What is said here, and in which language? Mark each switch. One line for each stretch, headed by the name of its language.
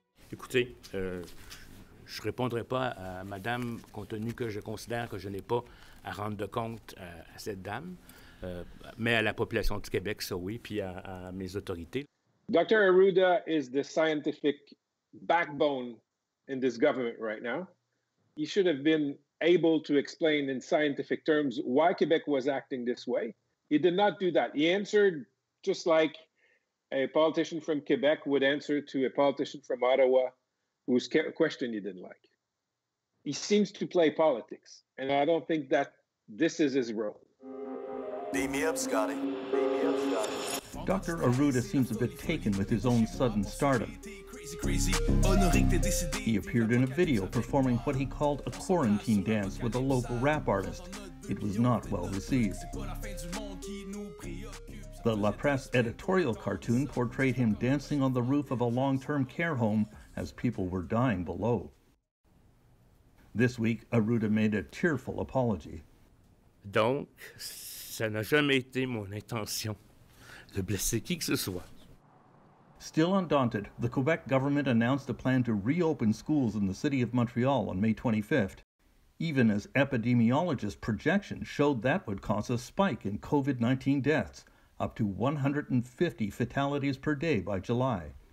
French: Écoutez, je répondrai pas à Madame compte tenu que je considère que je n'ai pas à rendre de compte à cette dame. Mais à la population du Québec, ça oui, puis à mes autorités.
English: Dr. Arruda is the scientific backbone in this government right now. He should have been able to explain in scientific terms why Quebec was acting this way. He did not do that. He answered just like a politician from Quebec would answer to a politician from Ottawa whose question he didn't like. He seems to play politics, and I don't think that this is his role. Beam me up, Scotty. Beam me up, Scotty. Dr. Arruda seems a bit taken with his own sudden stardom. He appeared in a video performing what he called a quarantine dance with a local rap artist. It was not well received. The La Presse editorial cartoon portrayed him dancing on the roof of a long-term care home as people were dying below. This week, Arruda made a tearful apology.
French: Donc, ça n'a jamais été mon intention de blesser qui que ce soit.
English: Still undaunted, the Quebec government announced a plan to reopen schools in the city of Montreal on May 25th, even as epidemiologists' projections showed that would cause a spike in COVID-19 deaths, up to 150 fatalities per day by July.